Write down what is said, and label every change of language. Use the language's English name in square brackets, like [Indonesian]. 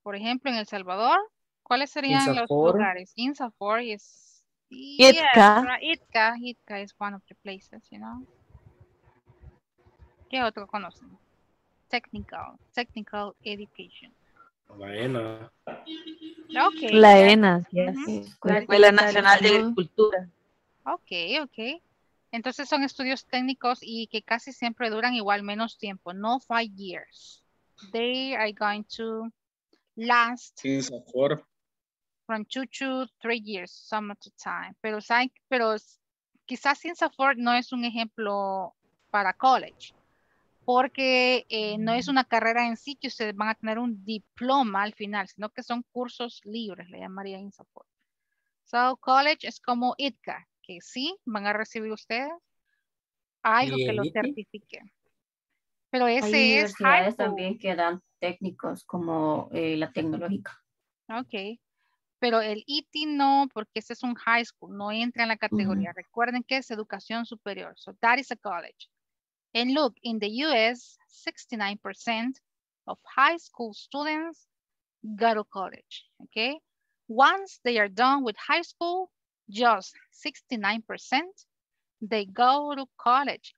[Spanish] Por ejemplo, en El Salvador, ¿cuáles serían los lugares? [English] INSAFORP is ITCA. ITCA. ITCA is one of the places, you know. [Spanish] ¿Qué otro conocen? [English] Technical education. [Spanish] La ENA. [English] Okay. [Spanish] La ENA, yes. La Escuela Nacional de Agricultura. [English] Ok. [Spanish] Entonces son estudios técnicos y que casi siempre duran igual menos tiempo. [English] No 5 years. They are going to last from 2 to 3 years, some of the time. [Spanish] Pero quizás INSAFORP no es un ejemplo para college. Porque no es una carrera en sí que ustedes van a tener un diploma al final, sino que son cursos libres, le llamaría INSAFORP. So college es como ITCA. Que sí, van a recibir ustedes algo que lo certifique. Pero ese hay es. Hay universidades también que dan técnicos como la tecnológica. [English] Ok. [Spanish] Pero el IT no, porque ese es un high school, no entra en la categoría. Uh-huh. Recuerden que es educación superior. [English] So that is a college. And look, in the US, 69% of high school students go to college. Ok. Once they are done with high school, just 69%, they go to college.